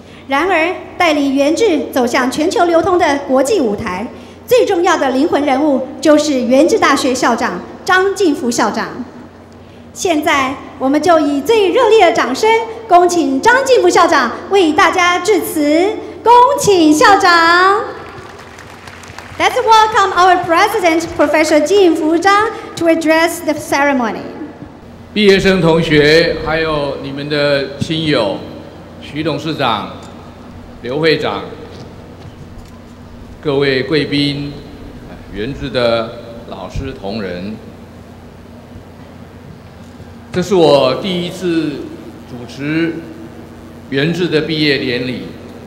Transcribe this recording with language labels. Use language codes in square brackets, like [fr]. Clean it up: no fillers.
[zh] 然而，带领元智走向全球流通的国际舞台，最重要的灵魂人物就是元智大学校长张进福校长。现在，我们就以最热烈的掌声，恭请张进福校长为大家致辞。恭请校长。 [en] Let's welcome our president, Professor 进福章 to address the ceremony. [zh] 毕业生同学，还有你们的亲友，徐董事长、刘会长，各位贵宾，元智的老师同仁，这是我第一次主持元智的毕业典礼。